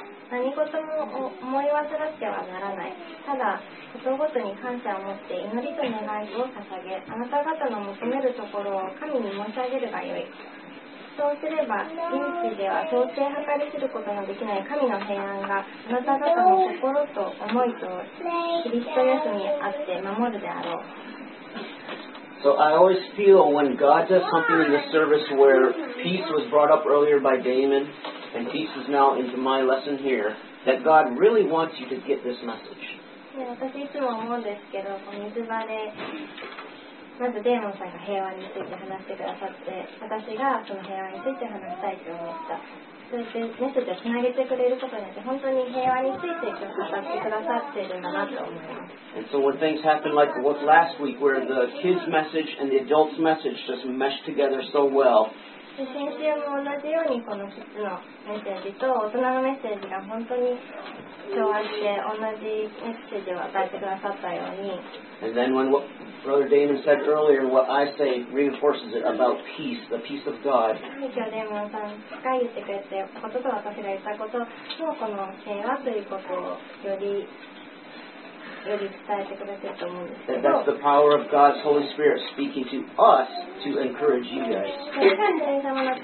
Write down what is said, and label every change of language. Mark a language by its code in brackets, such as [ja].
[ja] 何事も思い忘れてはならない。ただ、ことごとに感謝を持って祈りと願いを捧げ、あなた方の求めるところを神に申し上げればよい。そうすれば、人生では到底計り知ることのできない神の平安が、あなた方の心と思いと、キリストイエスにあって守るであろう。 [en] So I always feel when God does something in the service where peace was brought up earlier by Damon, and peace is now into my lesson here, that God really wants you to get this message. Yeah, [ja] そしてメッセージをつなげてくれることによって本当に平和について語ってくださっているんだなと思います。 [en] And so when things happen like what last week where the kids' message and the adults' message just mesh together so well、 [ja] 先週も同じようにこのキッズのメッセージと大人のメッセージが本当に調和して同じメッセージを与えてくださったように、 [en] Brother Damon said earlier, what I say reinforces it about peace, the peace of God. That's the power of God's Holy Spirit speaking to us to encourage you guys.